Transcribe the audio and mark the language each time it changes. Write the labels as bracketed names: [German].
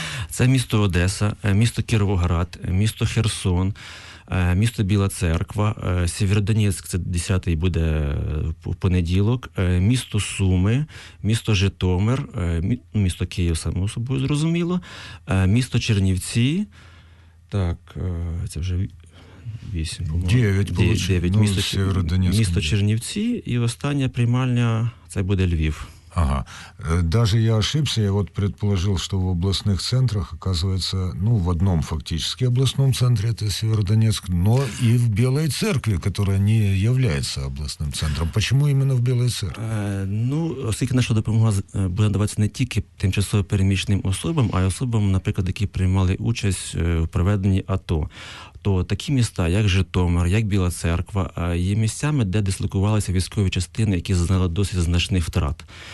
[Ukrainian] Це місто Одеса, місто Кіровоград, місто Херсон, місто Біла Церква, Сєвєродонецьк, це 10-й буде в понеділок, місто Суми, місто Житомир, місто Київ, само собою зрозуміло, місто Чернівці, так, це вже 8, по-моєму, місто, місто Чернівці, і остання приймальня, це буде Львів. Ага. [Russian] Даже я ошибся, я вот предположил, что в областных центрах, оказывается, ну, в одном фактически областном центре, это Северодонецк, но и в Белой Церкви, которая не является областным центром. Почему именно в Белой Церкви? [Ukrainian] Ну, оскільки наша допомога буде надаватися не тільки тимчасово переміщеним особам, а й особам, наприклад, які приймали участь в проведенні АТО. То такі міста, як Житомир, як Біла Церква, є місцями, де дислокувалися військові частини, які зазнали досить значних втрат.